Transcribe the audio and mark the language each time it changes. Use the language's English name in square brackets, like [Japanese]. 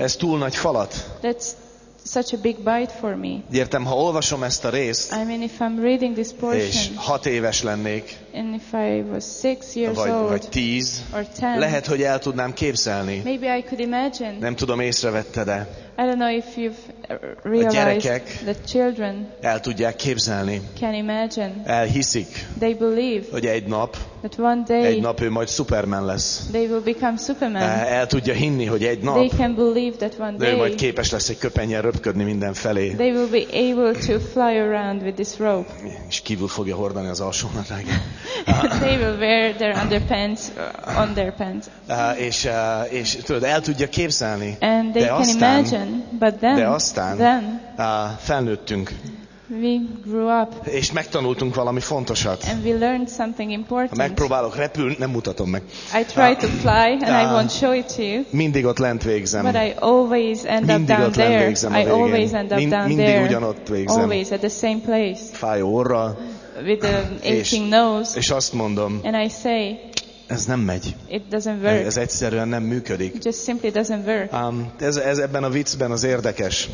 [Hungarian] Ez túl nagy falat. [English] That's such a big bite for me. [Hungarian] Értem, ha olvasom ezt a részt, [English] I mean, if I'm reading this portion, [Hungarian] és 6 éves lennék, [English] and if I was 6 years [Hungarian] vagy 10, [English] or 10, [Hungarian] lehet, hogy el tudnám képzelni. [English] Maybe I could imagine. [Hungarian] Nem tudom, észrevetted-e. [English] I don't know if you've realized that children [Hungarian] el tudják képzelni. [English] Can imagine. [Hungarian] Elhiszik. [English] They believe. [Hungarian] Hogy egy nap, [English] that one day, [Hungarian] egy nap ő majd Superman lesz. [English] They will become Superman. [Hungarian] El tudja hinni, hogy egy nap. [English] They can believe that one day. [Hungarian] Ő majd képes lesz egy köpennyel röpködni minden felé. [English] They will be able to fly around with this rope. [Hungarian] És kívül fogja hordani az alsónadrágot. [English] They will wear their underpants on their pants. [Hungarian] És tudod, el tudja képzelni. [English] And they [Hungarian] de [English] can [Hungarian] aztán, [English] imagine, but then, [Hungarian] de aztán [English] then, [Hungarian] felnőttünk. [English] We grew up. [Hungarian] És megtanultunk valami fontosat. [English] And we learned something important. [Hungarian] Ha megpróbálok repülni, nem mutatom meg. [English] I try to fly and I won't show it to you. [Hungarian] Mindig ott lent végzem. [English] But I always end [Hungarian] mindig [English] up down there. I always end up down [Hungarian] mindig [English] there. [Hungarian] Mindig ugyanott végzem. [English] Always at the same place. [Hungarian] Fáj orra. [English] With an aching nose. [Hungarian] És azt mondom. [English] And I say, [Hungarian] ez nem megy. [English] It doesn't work. [Hungarian] Ez egyszerűen nem működik. [English] It just simply doesn't work. [Hungarian] Ez ebben a viccben az érdekes.